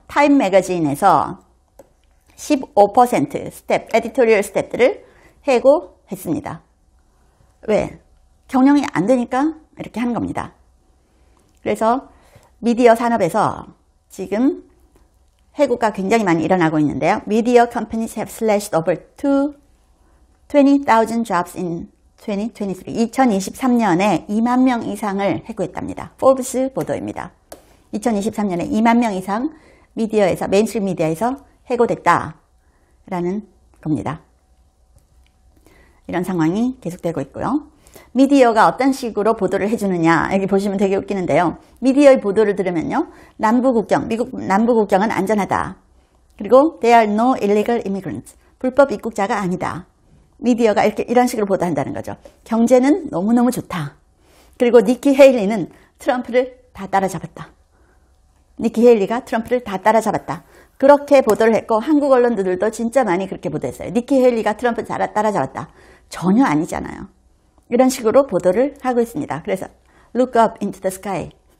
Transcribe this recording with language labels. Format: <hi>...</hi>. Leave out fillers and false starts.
<ko>타임 매거진에서 15% 스텝, 에디토리얼 스텝들을 해고했습니다. 왜? 경영이 안 되니까 이렇게 하는 겁니다. 그래서 미디어 산업에서 지금 해고가 굉장히 많이 일어나고 있는데요.</ko> <en>Media companies have slashed over 20,000 jobs in 2023.</en> <ko>2023년에 2만 명 이상을 해고했답니다. Forbes 보도입니다. 2023년에 2만 명 이상 미디어에서, 메인스트림 미디어에서 해고됐다. 라는 겁니다. 이런 상황이 계속되고 있고요. 미디어가 어떤 식으로 보도를 해주느냐, 여기 보시면 되게 웃기는데요. 미디어의 보도를 들으면요. 남부 국경, 미국 남부 국경은 안전하다. 그리고</ko> <en>there are no illegal immigrants.</en> <ko>불법 입국자가 아니다. 미디어가 이렇게 이런 식으로 보도한다는 거죠. 경제는 너무너무 좋다. 그리고 니키 헤일리는 트럼프를 다 따라잡았다. 니키 헤일리가 트럼프를 다 따라잡았다. 그렇게 보도를 했고 한국 언론들도 진짜 많이 그렇게 보도했어요. 니키 헤일리가 트럼프 따라잡았다. 전혀 아니잖아요. 이런 식으로 보도를 하고 있습니다. 그래서</ko> <en>look up into the sky.</en>